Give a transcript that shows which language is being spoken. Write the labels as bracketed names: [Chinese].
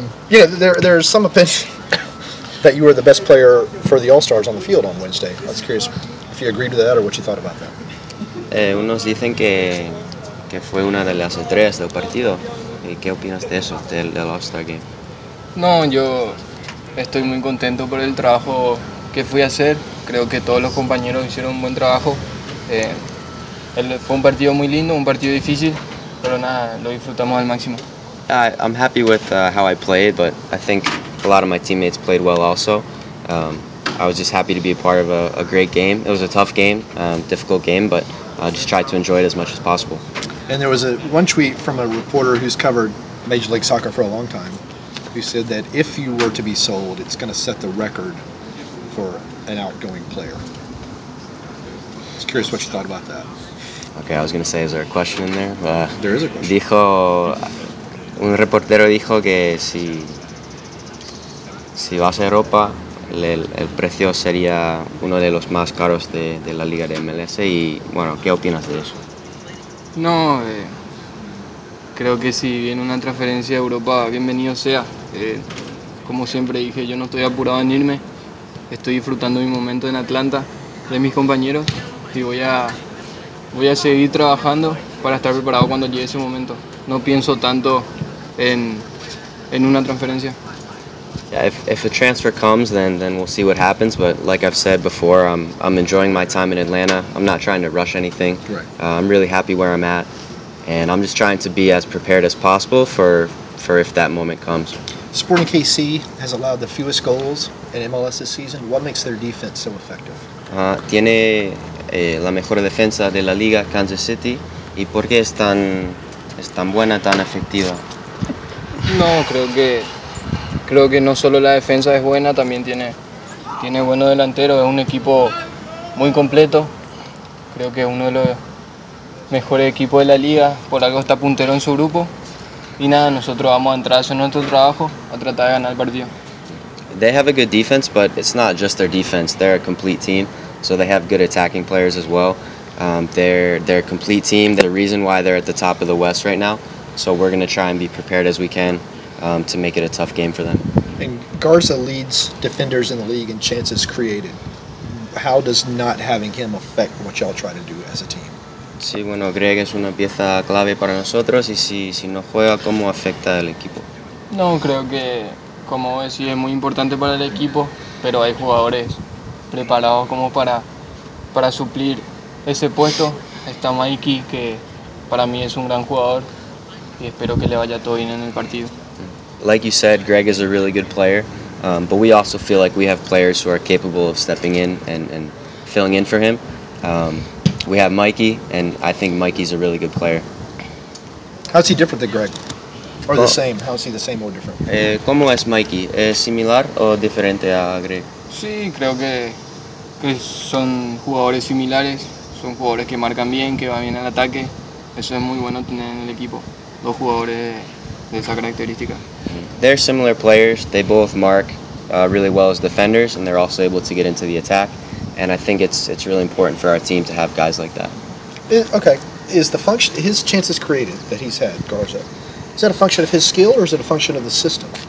[English] yeah, there's some opinion that you were the best player for the All-Stars on the field on Wednesday. I was curious if you agreed to that or what you thought about that. [Spanish] Unos dicen que fue una de las estrellas del partido. ¿Y qué opinas de eso, del All-Star Game? No, yo estoy muy contento por el trabajo que fui a hacer. Creo que todos los compañeros hicieron un buen trabajo. Fue un partido muy lindo, un partido difícil, pero nada, lo disfrutamos al máximo. [English] I'm happy with how I played, but I think a lot of my teammates played well also. I was just happy to be a part of a great game. It was a tough game, difficult game, but I just tried to enjoy it as much as possible. And there was one tweet from a reporter who's covered Major League Soccer for a long time, who said that if you were to be sold, it's going to set the record for an outgoing player. I was curious what you thought about that. Okay, I was going to say, is there a question in there? There is a question. [Spanish] Dijo, un reportero dijo que si vas a Europa, el precio sería uno de los más caros de la Liga de MLS. Y bueno, ¿qué opinas de eso? No, creo que si viene una transferencia a Europa, bienvenido sea. Como siempre dije, yo no estoy apurado en irme. Estoy disfrutando mi momento en Atlanta, de mis compañeros. Y voy a seguir trabajando para estar preparado cuando llegue ese momento. No pienso tanto en una transferencia. [English] Yeah, if a transfer comes, then we'll see what happens. But like I've said before, I'm enjoying my time in Atlanta. I'm not trying to rush anything. Right. I'm really happy where I'm at. And I'm just trying to be as prepared as possible for if that moment comes. Sporting KC has allowed the fewest goals in MLS this season. What makes their defense so effective? [Spanish] Tiene la mejor defensa de la liga, Kansas City. ¿Y por qué es tan buena, tan efectiva? No, creo que no solo la defensa es buena, también tiene buenos delanteros. Es un equipo muy completo. Creo que es uno de los mejores equipos de la liga. Por algo está puntero en su grupo. Y nada, nosotros vamos a entrar a hacer nuestro trabajo, a tratar de ganar el partido. [English] They have a good defense, but it's not just their defense. They're a complete team, so they have good attacking players as well. They're a complete team. They're the reason why they're at the top of the West right now. So we're going to try and be prepared as we can to make it a tough game for them. And Garza leads defenders in the league in chances created. How does not having him affect what y'all try to do as a team? [Spanish] Sí, bueno, Greg es una pieza clave para nosotros y si no juega, ¿cómo afecta al equipo? No, creo que, como decía, es muy importante para el equipo, pero hay jugadores preparados como para suplir ese puesto. Está Mikey, que para mí es un gran jugador y espero que le vaya todo bien en el partido. [English] Like you said, Greg is a really good player, but we also feel like we have players who are capable of stepping in and filling in for him. We have Mikey, and I think Mikey's a really good player. How's he different than Greg? Or the same? How's he the same or different? [Spanish] ¿Cómo es Mikey? ¿Es similar o diferente a Greg? Sí, creo que son jugadores similares. Son jugadores que marcan bien, que van bien al ataque. Eso es muy bueno tener en el equipo. Dos jugadores de esa característica. [English] They're similar players. They both mark really well as defenders, and they're also able to get into the attack. And I think it's really important for our team to have guys like that. Okay, is the function his chances created that he's had, Garza, is that a function of his skill or is it a function of the system?